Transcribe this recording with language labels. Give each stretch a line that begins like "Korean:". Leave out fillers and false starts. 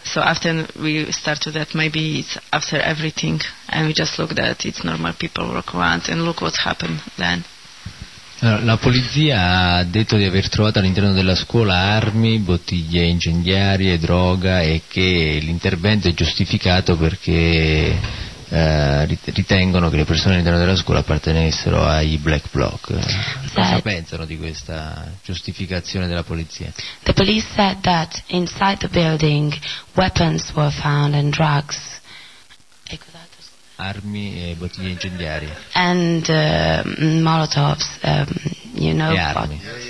English: So after we started that, maybe it's after everything, and we just looked at it's normal people walk around and look what happened then.
Italian: La polizia ha detto di aver trovato all'interno della scuola armi, bottiglie incendiarie, droga, e che l'intervento è giustificato perché ritengono che le persone all'interno della scuola appartenessero ai Black Bloc. Cosa pensano di questa giustificazione della polizia?
English: The police said that inside the building weapons were found and drugs.
Italian: Armi e bottiglie incendiarie.
English: And Molotovs,
Italian: e armi.